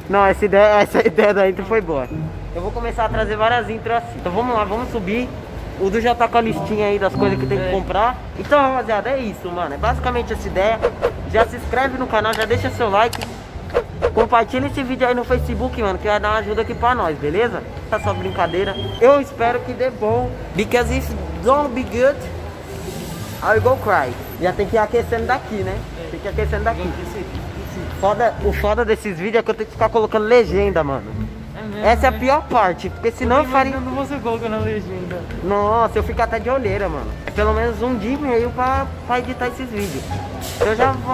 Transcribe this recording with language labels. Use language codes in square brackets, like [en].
[pt] Não, essa ideia da intro foi boa. Eu vou começar a trazer várias intros assim. Então vamos lá, vamos subir. O Du já tá com a listinha aí das coisas que tem que comprar. Então, rapaziada, é isso, mano. É basicamente essa ideia. Já se inscreve no canal, já deixa seu like. Compartilha esse vídeo aí no Facebook, mano, que vai dar uma ajuda aqui pra nós, beleza? Tá só brincadeira. Eu espero que dê bom. [en] Because if don't be good, I'll go cry. [pt] Já tem que ir aquecendo daqui, né? Tem que ir aquecendo daqui. O foda desses vídeos é que eu tenho que ficar colocando legenda, mano. Essa é a pior parte, porque senão eu faria... Não, você coloca na legenda. Nossa, eu fico até de olheira, mano. É pelo menos um dia e meio pra editar esses vídeos. Eu já vou...